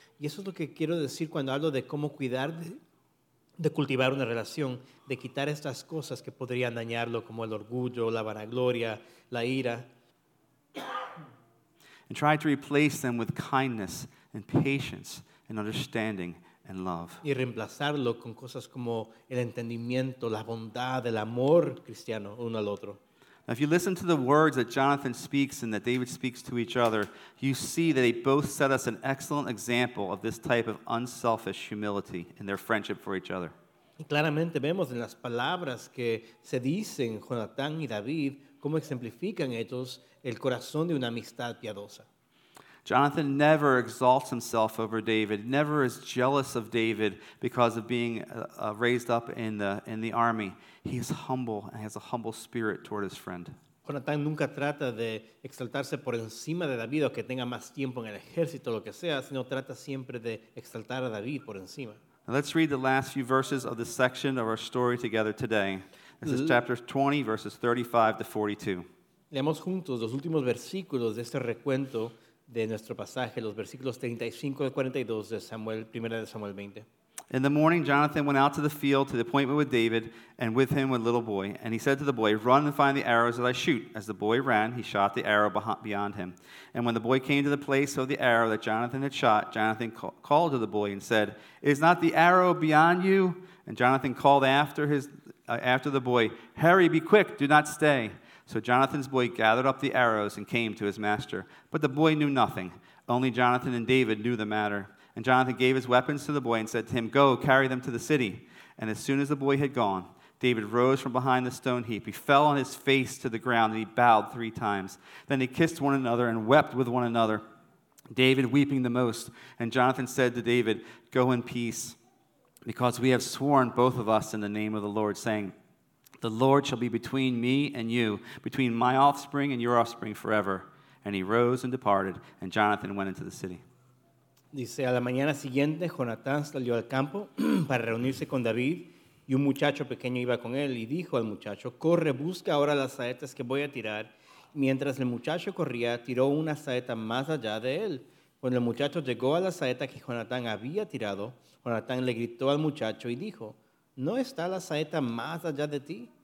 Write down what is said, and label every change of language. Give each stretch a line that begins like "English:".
Spanish: Y eso es lo que quiero decir cuando hablo de cómo cuidar de cultivar una relación, de quitar estas cosas que podrían dañarlo, como el orgullo, la vanagloria, la ira.
English: And try to replace them with kindness and patience and understanding and love.
Spanish: Y reemplazarlo con cosas como el entendimiento, la bondad, el amor cristiano uno al otro.
English: Now, if you listen to the words that Jonathan speaks and that David speaks to each other, you see that they both set us an excellent example of this type of unselfish humility in their friendship for each other.
Spanish: Y claramente vemos en las palabras que se dicen Jonathan y David cómo ejemplifican ellos el corazón de una amistad piadosa.
English: Jonathan never exalts himself over David, never is jealous of David because of being raised up in the army. He is humble and has a humble spirit toward his friend.
Spanish: Jonathan nunca trata de exaltarse por encima de David o que tenga más tiempo en el ejército o lo que sea, sino trata siempre de exaltar a David por encima.
English: Now let's read the last few verses of the section of our story together today. This is chapter 20, verses 35 to 42.
Spanish: Leamos juntos los últimos versículos de este recuento de nuestro pasaje, los versículos 35 al 42 de Samuel, 1 de Samuel 20.
English: In the morning, Jonathan went out to the field to the appointment with David, and with him a little boy. And he said to the boy, "Run and find the arrows that I shoot." As the boy ran, he shot the arrow beyond him. And when the boy came to the place of the arrow that Jonathan had shot, Jonathan called to the boy and said, "Is not the arrow beyond you?" And Jonathan called after the boy, "Hurry, be quick, do not stay." So Jonathan's boy gathered up the arrows and came to his master. But the boy knew nothing. Only Jonathan and David knew the matter. And Jonathan gave his weapons to the boy and said to him, "Go, carry them to the city." And as soon as the boy had gone, David rose from behind the stone heap. He fell on his face to the ground and he bowed three times. Then they kissed one another and wept with one another, David weeping the most. And Jonathan said to David, "Go in peace, because we have sworn both of us in the name of the Lord, saying, 'The Lord shall be between me and you, between my offspring and your offspring forever.'" And he rose and departed, and Jonathan went into the city.
Spanish: Dice, a la mañana siguiente, Jonatán salió al campo para reunirse con David, y un muchacho pequeño iba con él, y dijo al muchacho, "Corre, busca ahora las saetas que voy a tirar." Mientras el muchacho corría, tiró una saeta más allá de él. Cuando el muchacho llegó a la saeta que Jonatán había tirado, Jonatán le gritó al muchacho y dijo, "¿No está la saeta más allá de ti?"